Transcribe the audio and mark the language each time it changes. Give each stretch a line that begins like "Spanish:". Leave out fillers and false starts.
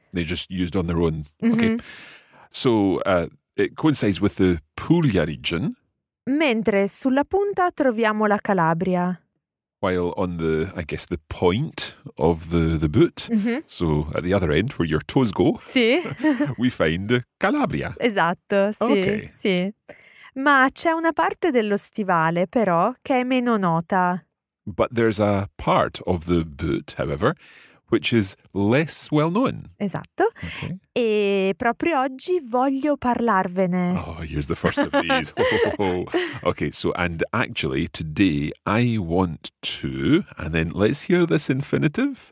English: They just used on their own. Mm-hmm. Okay. So, it coincides with the Puglia region.
Italian: Mentre sulla punta troviamo la Calabria.
English: While on the, I guess, the point of the boot, mm-hmm. So at the other end where your toes go,
Italian: sì.
English: We find Calabria.
Italian: Esatto, sì,
English: okay.
Italian: Sì. Ma c'è una parte dello stivale, però, che è meno nota.
English: But there's a part of the boot, however, which is less well known.
Italian: Esatto.
English: Okay.
Italian: E proprio oggi voglio parlarvene.
English: Oh, here's the first of these. Okay, so, and actually, today I want to, and then let's hear this infinitive.